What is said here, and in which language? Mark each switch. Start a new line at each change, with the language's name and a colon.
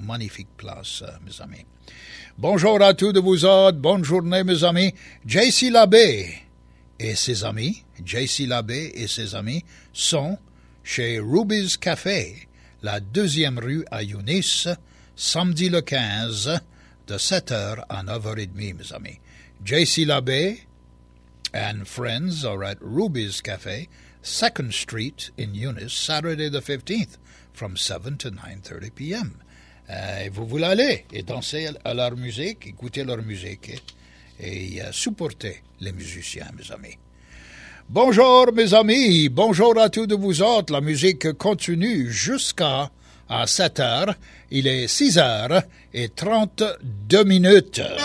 French: Magnifique place, mes amis. Bonjour à tous de vous autres, bonne journée mes amis. J.C. Labbé et ses amis, J.C. Labbé et ses amis sont chez Ruby's Café, la deuxième rue à Younis, samedi le 15, de 7h à 9h30, mes amis. J.C.
English: Labbé and friends are at Ruby's Café, 2nd Street in Younis, Saturday the 15th, from 7 to 9:30 p.m.
French: Et vous voulez aller et danser à leur musique, écouter leur musique et supporter les musiciens, mes amis. Bonjour, mes amis. Bonjour à tous de vous autres. La musique continue jusqu'à 7h. Il est 6h et 32 minutes.